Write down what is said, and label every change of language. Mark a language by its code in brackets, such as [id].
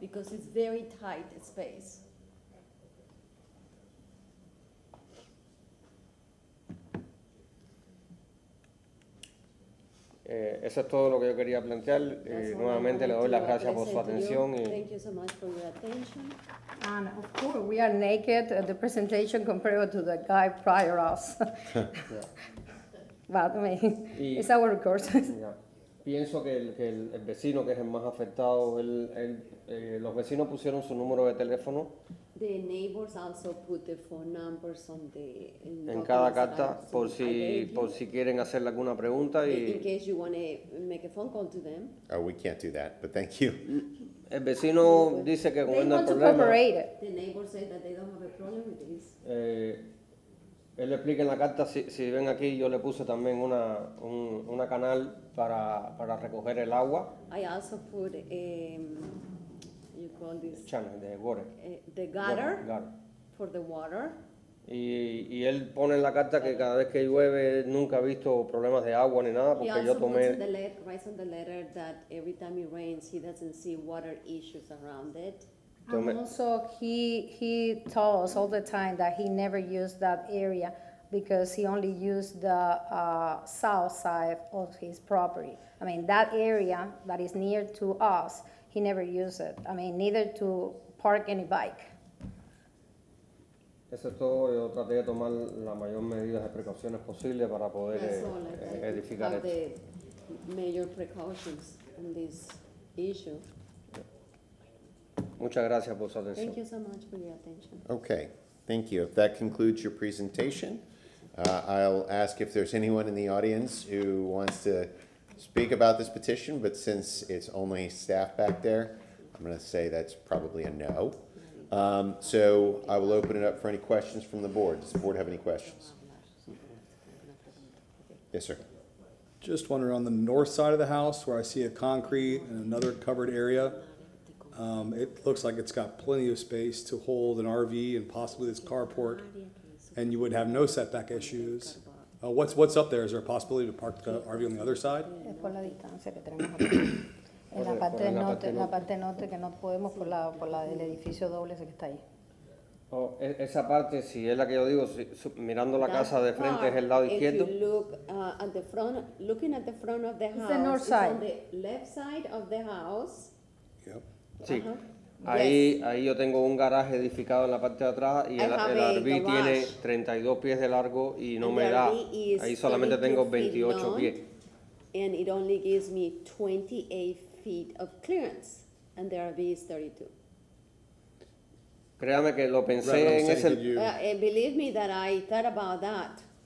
[en] Because it's very tight space. [es] Eso es todo lo que yo quería plantear. Nuevamente le doy las gracias por su atención. [en] Thank you so much for your attention. And of course, we are naked at the presentation compared to the guy prior us. But I mean, it's our record. [es] Pienso que el vecino que es el más afectado, los vecinos pusieron su número de teléfono. [en] The neighbors also put the phone numbers on the [es] en cada carta por si quieren hacerle alguna pregunta y [en] in case you want to make a phone call to them. Oh, we can't do that, but thank you. [es] El vecino dice que [en] they [es] con [en] want [es] el [en] to [es] problema, [en] cooperate. The neighbors say that they don't have a problem with this. [es] Él explica en la carta si ven aquí yo le puse también una canal para recoger el agua. [en] I also put you call this channel, the water. The gutter, gutter for the water. [es] Y él pone en la carta que cada vez que llueve nunca ha visto problemas de agua ni nada porque yo tomé. [en] He also puts writes on the letter that every time it rains he doesn't see water issues around it. And also, he told us all the time that he never used that area because he only used the south side of his property. I mean, that area that is near to us, he never used it. I mean, neither to park any bike. [es] Eso es todo. Yo traté de tomar las mayores medidas de precauciones posibles para poder edificar [en] esto. Major precautions on this issue. [es] Muchas gracias por su atención. [en] Thank you so much for your attention. Okay, thank you. If that concludes your presentation, I'll ask if there's anyone in the audience who wants to speak about this petition, but since it's only staff back there, I'm going to say that's probably a no. So I will open it up for any questions from the board. Does the board have any questions? Yes, sir. Just wondering, on the north side of the house where I see a concrete and another covered area, it looks like it's got plenty of space to hold an RV and possibly this carport, and you would have no setback issues. What's up there? Is there a possibility to park the RV on the other side? [es] En la parte del norte, en la parte norte que no podemos por la del edificio doble que está ahí. Oh, esa parte, si es la que yo digo, mirando la casa de frente es el lado izquierdo. [en] If you look at the front, looking at the front of the house, it's the north side. It's on the left side of the house. Yep. [es] Sí. Ahí yo tengo un garaje edificado en la parte de atrás y el RV tiene 32 pies de largo y no me da. Ahí solamente tengo 28 pies. [en] And it only gives me 28 feet of clearance, and the RV is 32. [es] Créame que lo pensé en ese. [en] And believe me that I thought about that.